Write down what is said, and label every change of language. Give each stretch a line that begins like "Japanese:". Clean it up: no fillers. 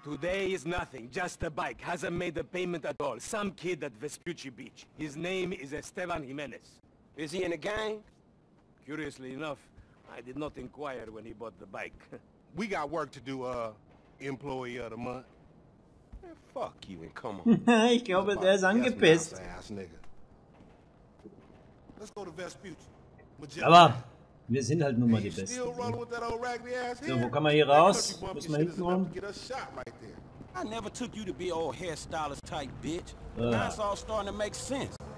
English: Today is nothing. Just a bike. Hasn't made a payment at all. Some kid at Vespucci Beach. His name is Esteban Jimenez. Is he in a gang? Curiously enough, I did not inquire when he bought the bike. We got work to do, Employee of the Month. Man, fuck you and come on.
German: Ich glaube, der ist angepisst.
English: Ass, ass, nigga. Let's go to Vespucci.
German: Aber wir sind halt nun mal die Besten. So, wo kann man hier raus? Muss man hinten rum?
English: I never took you to be old hairstylist type bitch. That's all starting to make sense.